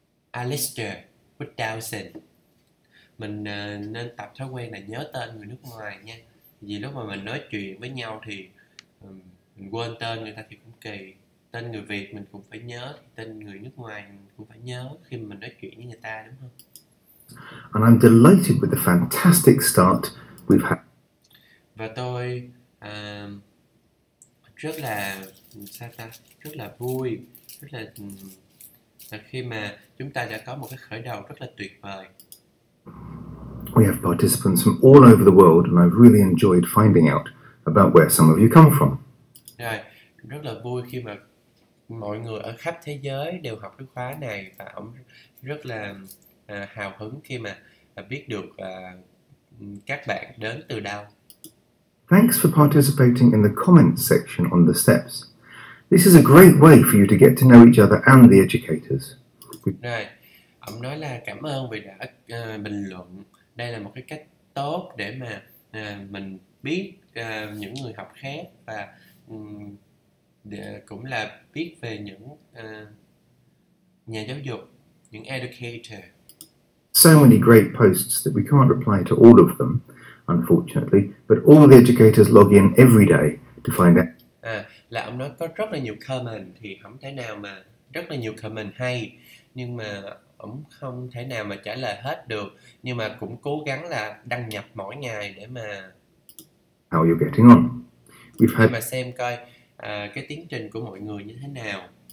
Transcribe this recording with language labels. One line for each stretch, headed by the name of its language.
Vietnamese: Alistair with Dawson. Mình nên tập thói quen là nhớ tên người nước ngoài nha. Vì lúc mà mình nói chuyện với nhau thì mình quên tên người ta thì cũng kỳ. Tên người Việt mình cũng phải nhớ, tên người nước ngoài mình cũng phải nhớ khi mình nói chuyện với người ta, đúng không?
English: And I'm delighted with the fantastic start we've had.
Vietnamese: Và tôi rất là sao ta? Rất là vui, rất là khi mà chúng ta đã có một cái khởi đầu rất là tuyệt vời.
English: We have participants from all over the world and I've really enjoyed finding out about where some of you come from.
Vietnamese: Rồi, rất là vui khi mà mọi người ở khắp thế giới đều học cái khóa này và ông rất là hào hứng khi mà biết được các bạn đến từ đâu.
English: Thanks for participating in the comments section on the steps. This is a great way for you to get to know each other and the educators.
Vietnamese: Rồi, ông nói là cảm ơn vì đã bình luận. Đây là một cái cách tốt để mà mình biết những người học khác và cũng là biết về những nhà giáo dục, những educator.
English: So many great posts that we can't reply to all of them, unfortunately, but all the educators log in every day to find out.
Vietnamese: À, là ông nói có rất là nhiều comment thì không thể nào mà rất là nhiều comment hay, nhưng mà ông không thể nào mà trả lời hết được, nhưng mà cũng cố gắng là đăng nhập mỗi ngày để mà
English: how you're getting on. We've had...
Vietnamese: Để mà xem coi cái tiến trình của mọi người như thế nào.